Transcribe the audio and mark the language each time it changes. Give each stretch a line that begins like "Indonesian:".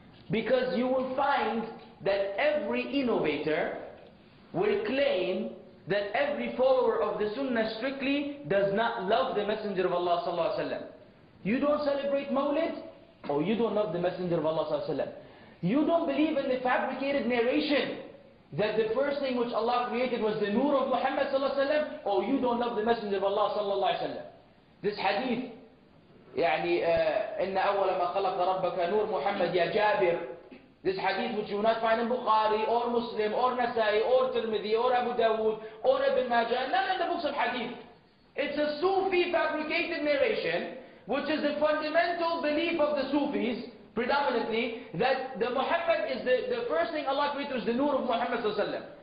English: Because you will find that every innovator will claim that every follower of the Sunnah strictly does not love the Messenger of Allah sallallahu alaihi wasallam. You don't celebrate Mawlid, or you don't love the Messenger of Allah sallallahu alaihi wasallam. You don't believe in the fabricated narration that the first thing which Allah created was the nur of Muhammad sallallahu alaihi wasallam, or you don't love the Messenger of Allah sallallahu alaihi wasallam. This hadith,
Arabic: يعني إن أول ما خلق ربك نور محمد يا جابر.
English: This hadith which you will not find in Bukhari, or Muslim, or Nasai, or Tirmidhi, or Abu Dawood, or Ibn Majah, none in the books of hadith. It's a Sufi fabricated narration, which is the fundamental belief of the Sufis, predominantly, that the Muhammad is the first thing Allah created was the Nur of Muhammad sallallahu alaihi wasallam.